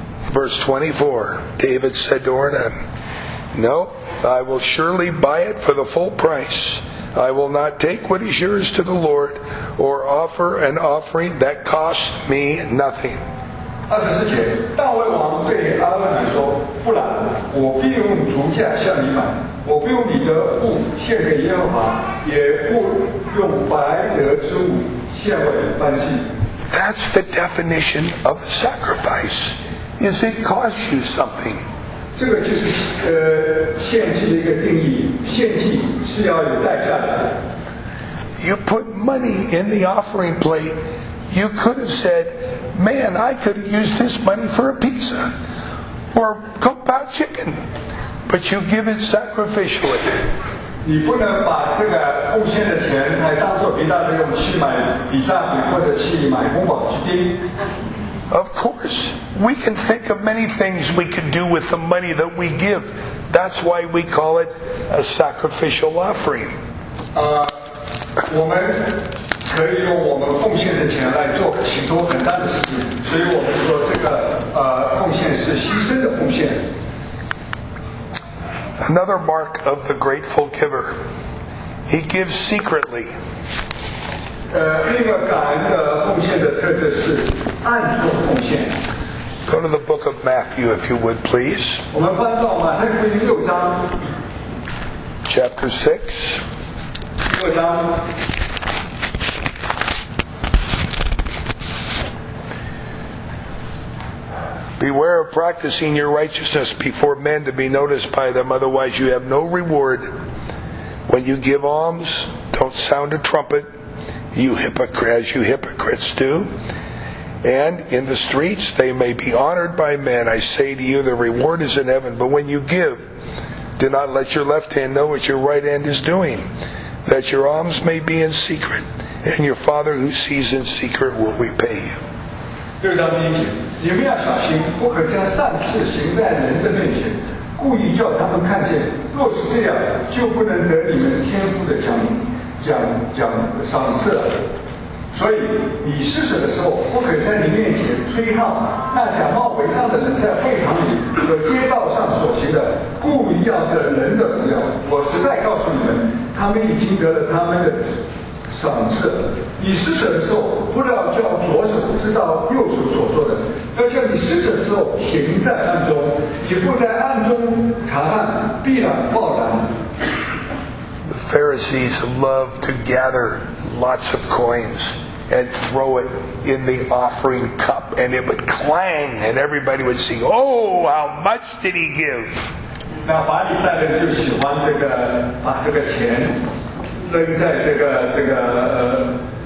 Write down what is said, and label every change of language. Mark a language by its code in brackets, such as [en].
[en] Verse 24, David said to Ornan, no, I will surely buy it for the full price. I will not take what is yours to the Lord or offer an offering that costs me nothing. [zh] 24节，大卫王对阿伦南说，不然，我必用竹价向你买，我不用你的物献给耶和华，也不用白得之物献为燔祭。 [en] That's the definition of a sacrifice. Is it cost you something? [zh] 这个就是献祭的一个定义，献祭是要有代价的。 [en] You put money in the offering plate, you could have said, man, I could have used this money for a pizza or cooked pot chicken, but you give it sacrificially. Of course, we can think of many things we can do with the money that we give. That's why we call it a sacrificial offering. [zh] 我们可以用我们奉献的钱来做许多很大的事情，所以我们说这个奉献是牺牲的奉献。 [en] Another mark of the grateful giver. He gives secretly. [zh] 另外感恩的奉献的特质是暗中奉献。 [en] Go to the book of Matthew, if you would, please. [zh] 我们翻到马太福音六章。 [en] Chapter 6. [zh] 六章。 [en] Beware of practicing your righteousness before men to be noticed by them, otherwise you have no reward. When you give alms, don't sound a trumpet, as you hypocrites do. And in the streets, they may be honored by men. I say to you, the reward is in heaven. But when you give, do not let your left hand know what your right hand is doing, that your alms may be in secret, and your Father who sees in secret will repay you. [zh] 六章第一节，你们要小心，不可将善事行在人的面前，故意叫他们看见。若是这样，就不能得你们天父的赏赐了。所以你施舍的时候，不可在你面前吹号，那假冒为善的人在会堂里和街道上所行的，故意要得人的荣耀。我实在告诉你们，他们已经得了他们的赏赐。你施舍的时候，不要叫左手知道右手所做的，要叫你施舍的时候行在暗中，你父在暗中查看，必然报答。 [en] The Pharisees love to gather lots of coins and throw it in the offering cup, and it would clang, and everybody would see, oh, how much did he give? [zh] 那法利赛人就喜欢这个，把这个钱扔在这个。